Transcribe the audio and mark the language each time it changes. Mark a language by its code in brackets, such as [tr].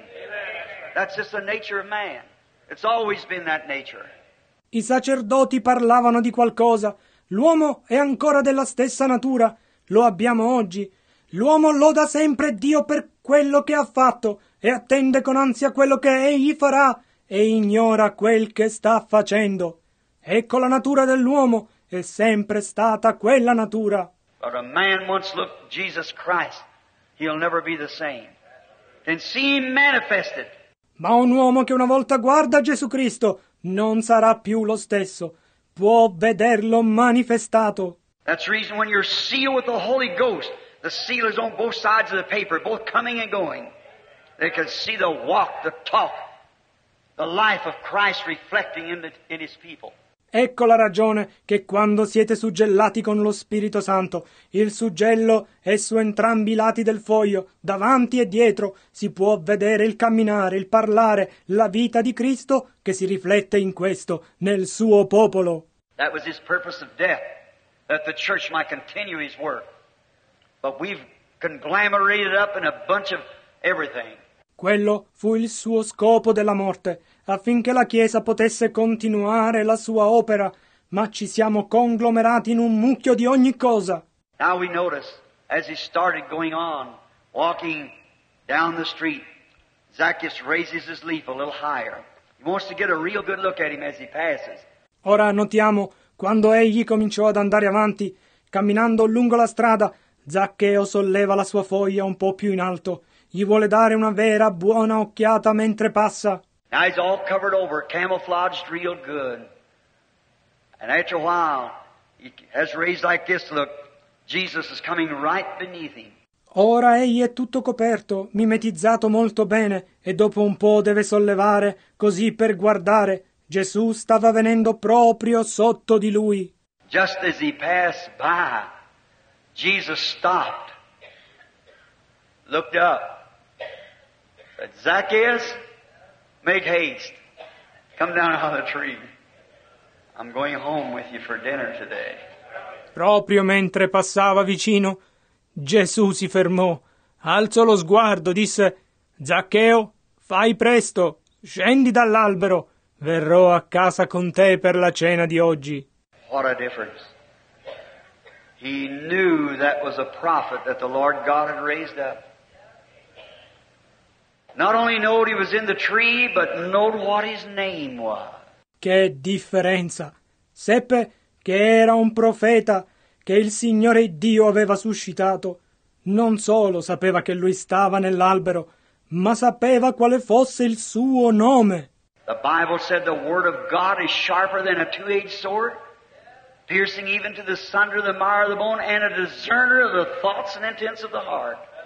[en] Amen. That's just the nature of man. It's always been that nature. [it] I sacerdoti parlavano di qualcosa. L'uomo è ancora della stessa natura. Lo abbiamo oggi. L'uomo loda sempre Dio per quello che ha fatto e attende con ansia quello che egli farà e ignora quel che sta facendo. Ecco la natura dell'uomo, è sempre stata quella natura. [en] But a man once looked Jesus Christ, he'll never be the same. And see him manifested. [it] Ma un uomo che una volta guarda Gesù Cristo non sarà più lo stesso, può vederlo manifestato. [en] That's the reason when you're sealed with the Holy Ghost, the seal is on both sides of the paper, both coming and going. They can see the walk, the talk, the life of Christ reflecting in his people. [it] Ecco la ragione che quando siete suggellati con lo Spirito Santo, il suggello è su entrambi i lati del foglio, davanti e dietro, si può vedere il camminare, il parlare, la vita di Cristo che si riflette in questo, nel suo popolo. [en] That was his purpose of death, that the church might continue his work. But we've conglomerated up in a bunch of everything. [it] Quello fu il suo scopo della morte, affinché la Chiesa potesse continuare la sua opera, ma ci siamo conglomerati in un mucchio di ogni cosa. [en] Now we notice, as he started going on, walking down the street, Zacchaeus raises his leaf a little higher. He wants to get a real good look at him as he passes. [it] Ora notiamo, quando egli cominciò ad andare avanti, camminando lungo la strada, Zaccheo solleva la sua foglia un po' più in alto. Gli vuole dare una vera buona occhiata mentre passa. [en] Now he's all covered over, camouflaged real good. And after a while, he has raised like this, look, Jesus is coming right beneath him. [it] Ora egli è tutto coperto, mimetizzato molto bene, e dopo un po' deve sollevare, così per guardare. Gesù stava venendo proprio sotto di lui. [en] Just as he passed by, Jesus stopped, looked up. Zacchaeus, make haste. Come down out of the tree. I'm going home with you for dinner today. [it] Proprio mentre passava vicino, Gesù si fermò. Alzò lo sguardo, disse, Zaccheo, fai presto, scendi dall'albero. Verrò a casa con te per la cena di oggi. [en] What a difference. He knew that was a prophet that the Lord God had raised up. Not only know he was in the tree, but know what his name was. [it] Che differenza! Seppe che era un profeta che il Signore Dio aveva suscitato. Non solo sapeva che lui stava nell'albero, ma sapeva quale fosse il suo nome. [en] The Bible said the word of God is sharper than a two-edged sword, piercing even to the sunder of the marrow of the bone, and a discerner of the thoughts and intents of the heart.